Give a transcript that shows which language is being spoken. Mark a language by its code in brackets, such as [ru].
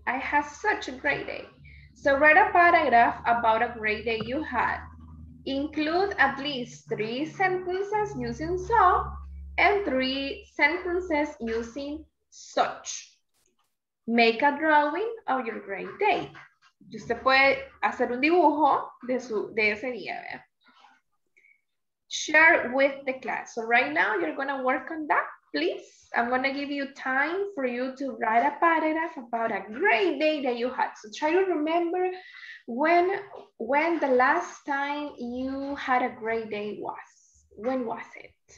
[en] I had such a great day. So write a paragraph about a great day you had. Include at least 3 sentences using so and 3 sentences using such. Make a drawing of your great day. [es] Usted puede hacer un dibujo de ese día, ¿eh? [en] Share with the class. So right now you're going to work on that, please. I'm going to give you time for you to write a paragraph about a great day that you had. So try to remember when the last time you had a great day was. When was it?